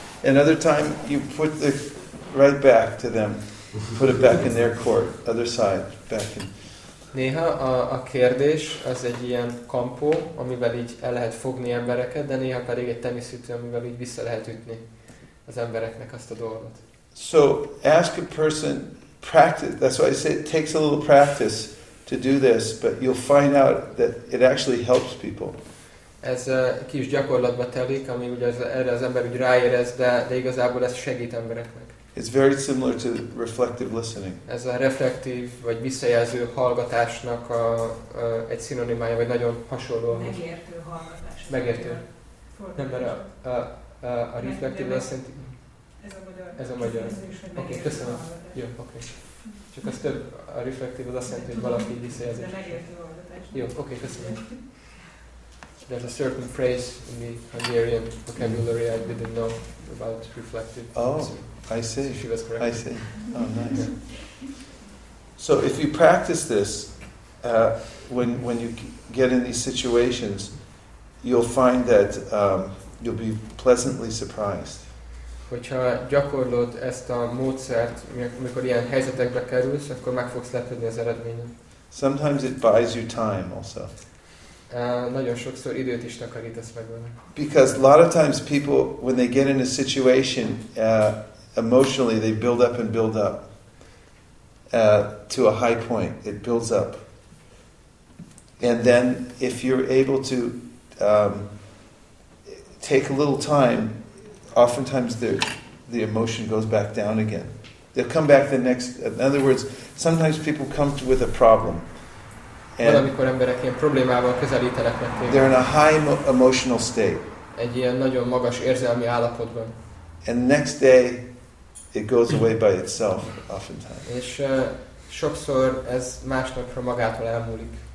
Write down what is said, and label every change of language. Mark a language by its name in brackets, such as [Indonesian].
[English] Another time you put the right back to them. Put it back in their court. Other side. Back in. [Hungarian] Néha a kérdés az egy ilyen kampó, amivel így el lehet fogni embereket, de néha pedig egy teniszütő, amivel így vissza lehet ütni az embereknek azt a dolgot. [English] So, ask a person, practice, that's why I say it takes a little practice to do this, but you'll find out that it actually helps people. [Hungarian] Ez kis gyakorlatba telik, ami ugye erre az ember úgy ráérez, de igazából ez segít embereknek. [English] It's very similar to reflective listening. [Hungarian] Ez a reflektív vagy visszajelző hallgatásnak a egy szinonimája, vagy nagyon hasonló. Megértő hallgatás. Megértő. Nem, mert a reflektív listening. Ez a magyar. Oké, köszönöm. Jó, oké. Okay. Csak az több, a reflektív az azt jelenti, hogy valaki visszajelzés. De megértő hallgatás. Jó, oké, okay, köszönöm. [English] There's a certain phrase in the Hungarian vocabulary I didn't know about reflective listening. I see. She was correct. I see. Oh, nice. So if you practice this, when you get in these situations, you'll find that you'll be pleasantly surprised. [Hungarian] Hogyha gyakorlod ezt a módszert, amikor ilyen helyzetekbe kerülsz, akkor meg fogsz lepődni az eredményen. [English] Sometimes it buys you time also. [Hungarian] Nagyon sokszor időt is takarítasz meg benne. [English] Because a lot of times people, when they get in a situation, emotionally, they build up and build up to a high point. It builds up. And then if you're able to take a little time, oftentimes the emotion goes back down again. They'll come back the next... In other words, sometimes people come to, with a problem. [Hungarian] And valamikor emberek ilyen problémával közelítenek meg téged. [English] They're in a high emotional state. [Hungarian] Egy ilyen nagyon magas érzelmi állapotban. [English] And next day... It goes away by itself, oftentimes. [Hungarian] És sokszor ez másnapra magától elmúlik.